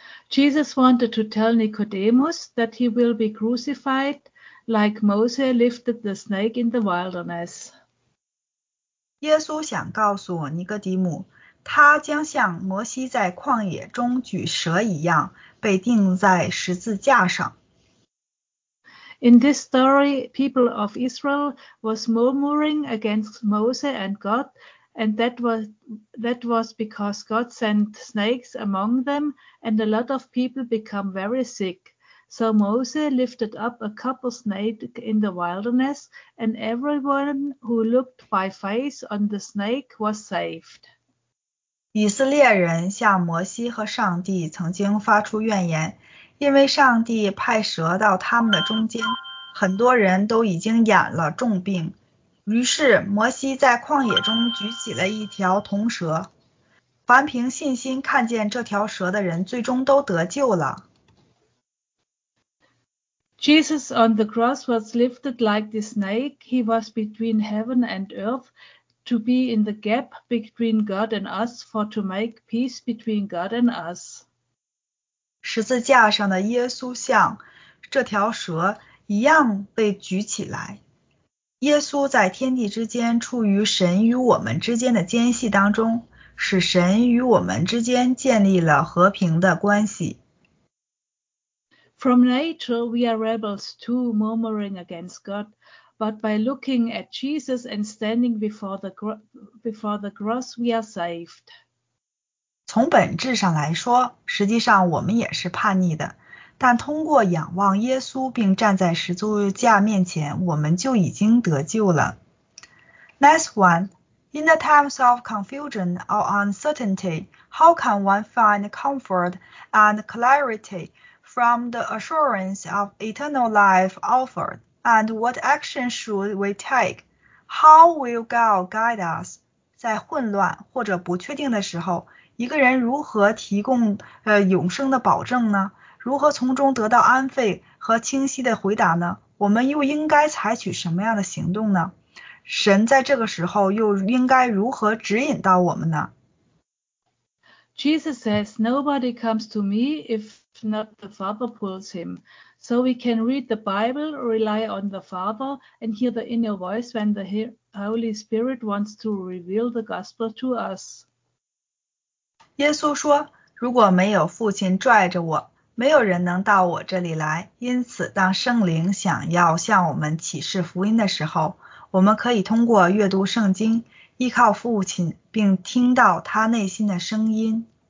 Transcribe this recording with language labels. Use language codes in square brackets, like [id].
[en] Jesus wanted to tell Nicodemus that he will be crucified. Like Moses lifted the snake in the wilderness. [zh] 耶稣想告诉尼哥底母，他将像摩西在旷野中举蛇一样被钉在十字架上。 [en] In this story, people of Israel was murmuring against Moses and God, and that was because God sent snakes among them, and a lot of people become very sick. So Moses lifted up a couple snake in the wilderness, and everyone who looked by faith on the snake was saved. [zh] 以色列人向摩西和上帝曾经发出怨言，因为上帝派蛇到他们的中间，很多人都已经染了重病。于是摩西在旷野中举起了一条铜蛇，凡凭信心看见这条蛇的人，最终都得救了。 [en] Jesus on the cross was lifted like the snake. He was between heaven and earth to be in the gap between God and us for to make peace between God and us. [zh] 十字架上的耶稣像这条蛇一样被举起来。耶稣在天地之间处于神与我们之间的间隙当中，使神与我们之间建立了和平的关系。 [en] From nature, we are rebels too, murmuring against God. But by looking at Jesus and standing before the cross, we are saved. [zh] 从本质上来说，实际上我们也是叛逆的。但通过仰望耶稣并站在十字架面前，我们就已经得救了。 [en] Next one. In the times of confusion or uncertainty, how can one find comfort and clarity? From the assurance of eternal life offered, and what action should we take? How will God guide us? [zh] 在混乱或者不确定的时候，一个人如何提供永生的保证呢？如何从中得到安慰和清晰的回答呢？我们又应该采取什么样的行动呢？神在这个时候又应该如何指引到我们呢？ [en] Jesus says, nobody comes to me if not the Father pulls him. So we can read the Bible, rely on the Father, and hear the inner voice when the Holy Spirit wants to reveal the gospel to us. [zh] 耶稣说，如果没有父亲拽着我，没有人能到我这里来。因此，当圣灵想要向我们启示福音的时候，我们可以通过阅读圣经，依靠父亲，并听到他内心的声音。